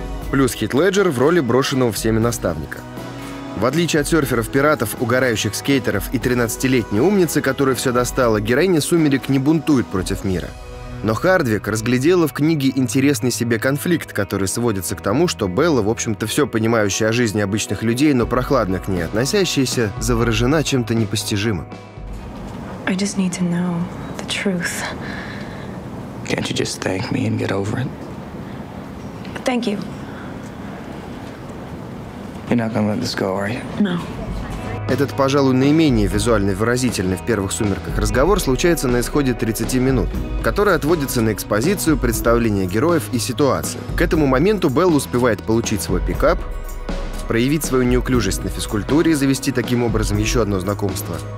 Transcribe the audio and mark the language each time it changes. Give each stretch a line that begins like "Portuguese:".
Russian: Плюс Хит Леджер в роли брошенного всеми наставника. В отличие от серферов-пиратов, угорающих скейтеров и 13-летней умницы, которая все достала, героиня «Сумерек» не бунтует против мира. Но Хардвик разглядела в книге интересный себе конфликт, который сводится к тому, что Белла, в общем-то, все понимающая о жизни обычных людей, но прохладно к ней относящаяся, заворожена чем-то непостижимым.
English: I just need to know the truth. Can't you just thank me and get over it? Thank you. You're not gonna let this go, are you? No.
Russian: Этот, пожалуй, наименее визуально выразительный в первых «Сумерках» разговор случается на исходе 30 минут, который отводится на экспозицию, представление героев и ситуации. К этому моменту Белл успевает получить свой пикап, проявить свою неуклюжесть на физкультуре и завести таким образом еще одно знакомство.